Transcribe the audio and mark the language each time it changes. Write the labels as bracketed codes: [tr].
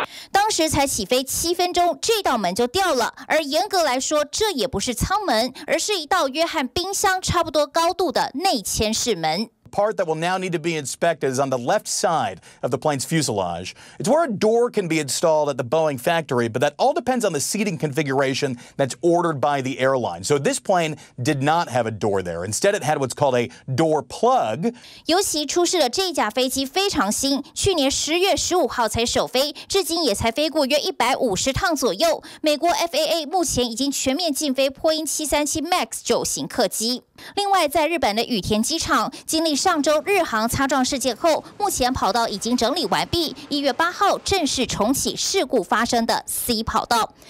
[zh] 当时才起飞7分钟，这道门就掉了。而严格来说，这也不是舱门，而是一道约和冰箱差不多高度的内嵌式门。 [en] Part that will now need to be inspected is on the left side of the plane's fuselage. It's where a door can be installed at the Boeing factory, but that all depends on the seating configuration that's ordered by the airline. So this plane did not have a door there. Instead, it had what's called a door plug. [zh] 尤其出事的这架飞机非常新，去年10月15号才首飞，至今也才飞过约150趟左右。美国 FAA 目前已经全面禁飞波音737 MAX 9型客机。另外，在日本的羽田机场，经历上周日航擦撞事件后，目前跑道已经整理完毕，1月8号正式重启事故发生的 C 跑道。